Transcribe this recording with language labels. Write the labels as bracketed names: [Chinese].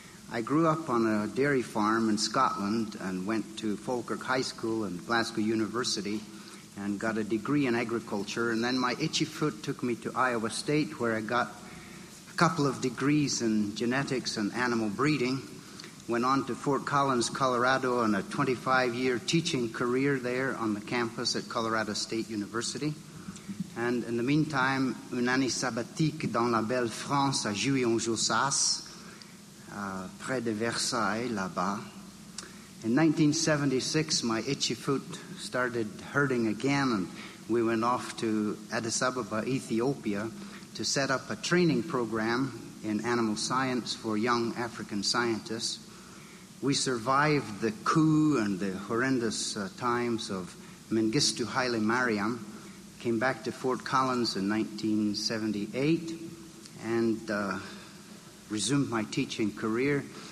[English] I grew up on a dairy farm in Scotland and went to Falkirk High School and Glasgow University and got a degree in agriculture. And then my itchy foot took me to Iowa State, where I got a couple of degrees in genetics and animal breeding. Went on to Fort Collins, Colorado, and a 25-year teaching career there on the campus at Colorado State University. And in the meantime, [French] une année sabbatique dans la belle France à Jouy-en-Josas, près de Versailles, là-bas. [English] In 1976, my itchy foot started hurting again, and we went off to Addis Ababa, Ethiopia, to set up a training program in animal science for young African scientists. We survived the coup and the horrendous times of Mengistu Haile Mariam, came back to Fort Collins in 1978, and resumed my teaching career.